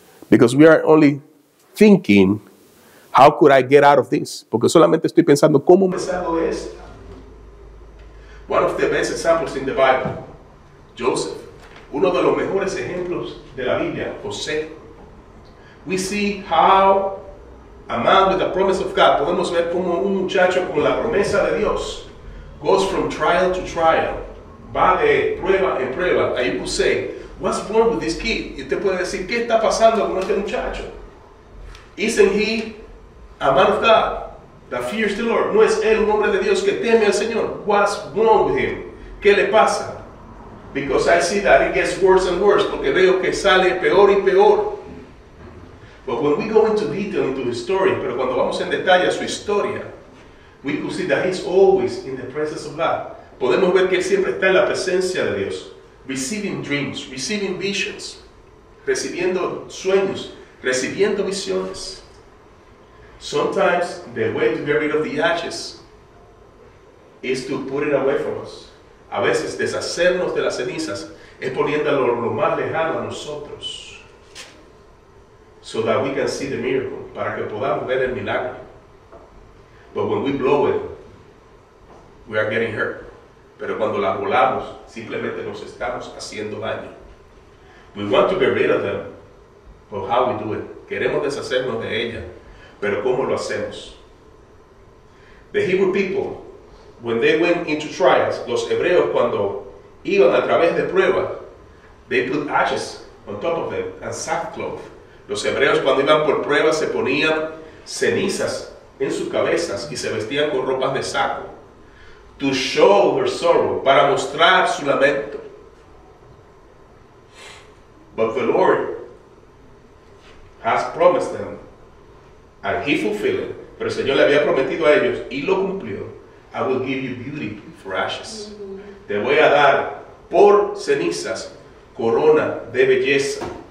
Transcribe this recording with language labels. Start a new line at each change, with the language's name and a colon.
English: Because we are only thinking, how could I get out of this?
Spanish: Porque solamente estoy pensando, ¿cómo me salgo de esto?
English: One of the best examples in the Bible, Joseph.
Spanish: Uno de los mejores ejemplos de la Biblia, José.
English: We see how a man with the promise of God,
Spanish: podemos ver como un muchacho con la promesa de Dios,
English: goes from trial to trial,
Spanish: va de prueba en prueba.
English: And you could say, what's wrong with this kid?
Spanish: Y usted puede decir, ¿qué está pasando con este muchacho?
English: Isn't he a man of God that fears the Lord?
Spanish: ¿No es él un hombre de Dios que teme al Señor?
English: What's wrong with him?
Spanish: ¿Qué le pasa?
English: Because I see that it gets worse and worse,
Spanish: porque veo que sale peor y peor.
English: But when we go into detail into his story,
Spanish: pero cuando vamos en detalle a su historia,
English: we could see that he's always in the presence of God.
Spanish: Podemos ver que él siempre está en la presencia de Dios,
English: receiving dreams, receiving visions,
Spanish: recibiendo sueños, recibiendo visiones.
English: Sometimes the way to get rid of the ashes is to put it away from us.
Spanish: A veces deshacernos de las cenizas es poniéndolo lo más lejano a nosotros.
English: So that we can see the miracle,
Spanish: para que podamos ver el milagro.
English: But when we blow it, we are getting hurt.
Spanish: Pero cuando las volamos, simplemente nos estamos haciendo daño.
English: We want to get rid of them, but how we do it?
Spanish: Queremos deshacernos de ella, pero ¿cómo lo hacemos?
English: The Hebrew people, when they went into trials,
Spanish: los hebreos cuando iban a través de pruebas,
English: they put ashes on top of them and sackcloth.
Spanish: Los hebreos cuando iban por pruebas se ponían cenizas en sus cabezas y se vestían con ropas de saco.
English: To show their sorrow,
Spanish: para mostrar su lamento.
English: But the Lord has promised them, and he fulfilled it.
Spanish: Pero el Señor le había prometido a ellos y lo cumplió.
English: I will give you beauty for ashes.
Spanish: Te voy a dar por cenizas corona de belleza.